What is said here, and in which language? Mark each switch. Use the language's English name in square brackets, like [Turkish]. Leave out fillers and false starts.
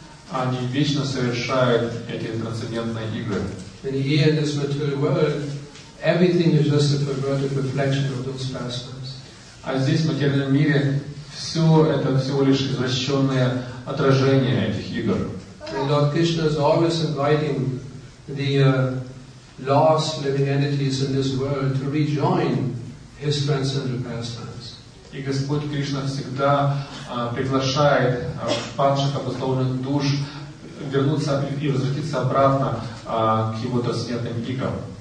[Russian] Они вечно совершают эти трансцендентные игры. [English] And here in this material world, everything is just a perverted reflection of those pastimes. [Russian] А здесь, в материальном мире, все это всего лишь извращенное отражение этих игр. [English] And Lord Krishna is always inviting the lost living entities in this world to rejoin his transcendental pastimes. [Russian] И Господь Кришна всегда приглашает падших обусловленных душ вернуться и возвратиться обратно к его трансцендентным играм.